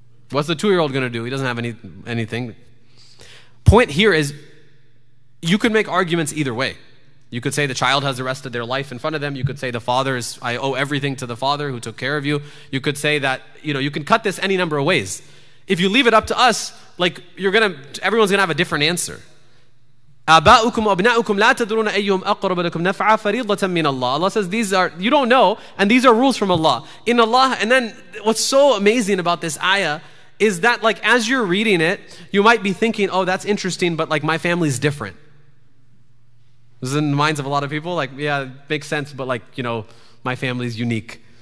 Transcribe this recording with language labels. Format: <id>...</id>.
<en>What's the two-year-old going to do? He doesn't have anything. Point here is, you could make arguments either way. You could say the child has the rest of their life in front of them. You could say the father is, I owe everything to the father who took care of you. You could say that, you know, you can cut this any number of ways. If you leave it up to us, like, everyone's going to have a different answer.</en> <ar>أباؤكم وأبناؤكم لا تدرون أيهم أقرب لكم نفعا فريضة من الله.</ar> <en>Allah says you don't know, and these are rules from Allah. In Allah, and then what's so amazing about this ayah is that, like, as you're reading it, you might be thinking, oh, that's interesting, but like, my family's different. This is in the minds of a lot of people, like, yeah, makes sense, but like, you know, my family's unique.</en>